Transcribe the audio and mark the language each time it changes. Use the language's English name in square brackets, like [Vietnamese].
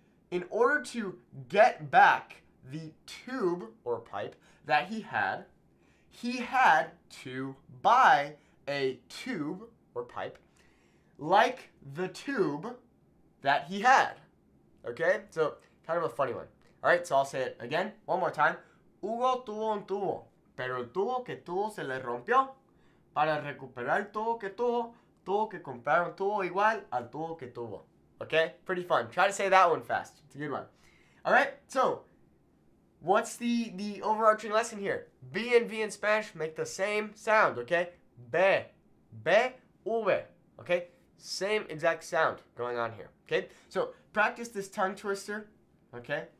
[English] In order to get back the tube or pipe that he had to buy a tube or pipe like the tube that he had. Okay, so kind of a funny one. All right, so I'll say it again, one more time. [Spanish] Hugo tuvo un tubo, pero el tubo que tuvo se le rompió. Para recuperar el tubo que tuvo, tuvo que comprar un tubo igual al tubo que tuvo. [English] Okay, pretty fun. Try to say that one fast. It's a good one. All right, so what's the overarching lesson here? B and V in Spanish make the same sound, okay? Be, be, uve, okay? Same exact sound going on here, okay? So practice this tongue twister, okay?